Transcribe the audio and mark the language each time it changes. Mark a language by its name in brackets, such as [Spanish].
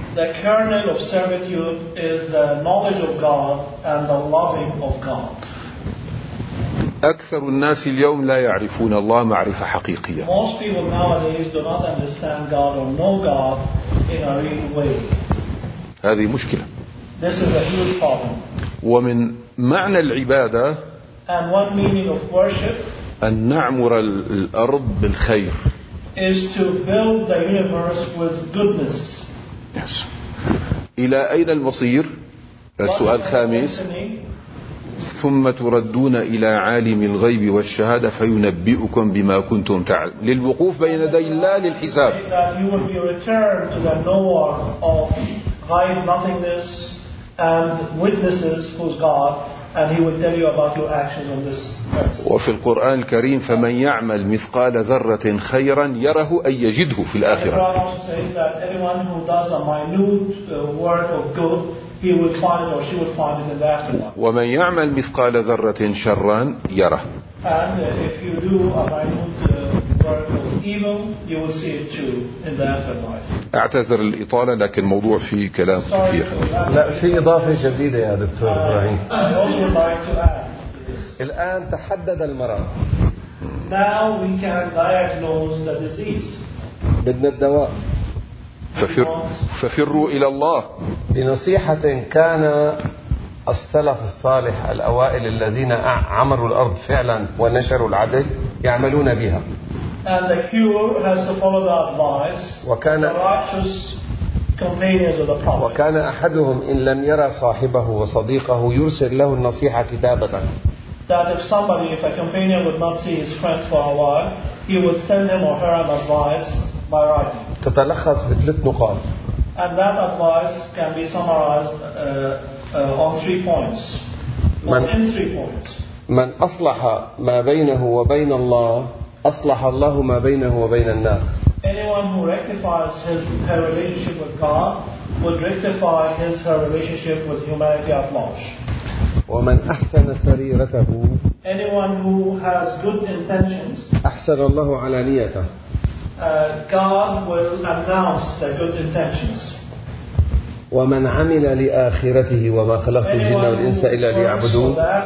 [English] The kernel of servitude is the knowledge of God and the loving of God. [Arabic] أكثر الناس اليوم لا يعرفون الله معرفة حقيقية. [English] Most people nowadays do not understand God or know God in a real way. [Arabic] هذه مشكلة. [English] This is a huge problem. [Arabic] ومن معنى العبادة [English] And what meaning of worship [Arabic] أن نعمر الأرض بالخير [English] is to build the universe with goodness. Yes. [Arabic] إلى أين المصير السؤال الخامس ثم تردون إلى عالم الغيب والشهادة فينبئكم بما كنتم تعلمون للوقوف بين يدي الله للحساب [English] that you will be returned to the knower of غيب nothingness and witnesses whose God And he will tell you about your actions on this earth. [Arabic] وفي القرآن الكريم فمن يعمل مثقال ذرة خيرا يره أن يجده في الآخرة. [English] The Quran also says that anyone who does a minute work of good, he will find it or she will find it in the afterlife. [Arabic] ومن يعمل مثقال ذرة شرا يره. [English] And if you do a minute work of evil, you will see it too in the afterlife. [Arabic] اعتذر الإطالة لكن موضوع فيه كلام كثير. لا في إضافة جديدة يا دكتور إبراهيم. [English] I also would like to add. [Arabic] الآن تحدد المرض. [English] Now we can diagnose the disease. [Arabic] بدنا الدواء. ففروا إلى الله. لنصيحة كان السلف الصالح الأوائل الذين عمروا الأرض فعلا ونشروا العدل يعملون بها. [English] And the cure has to follow the advice. [Arabic] وكان [English] righteous companions of the prophet. [Arabic] وكان أحدهم إن لم يرى صاحبه وصديقه يرسل له النصيحة كتابة. [English] That if somebody, if a companion would not see his friend for a while, he would send him or her an advice by writing. [Arabic] تتلخص بثلاث نقاط. [English] And that advice can be summarized on three points. In three points. [Arabic] من أصلح ما بينه وبين الله أصلح الله ما بينه وبين الناس. [English] Anyone who rectifies her relationship with God would rectify her relationship with humanity at large. [Arabic] ومن أحسن سريرته. [English] Anyone who has good intentions. [Arabic] أحسن الله على نيته. [English] God will announce the good intentions. [Arabic] ومن عمل لآخرته وما خلقت الجن والإنس إلا ليعبدون.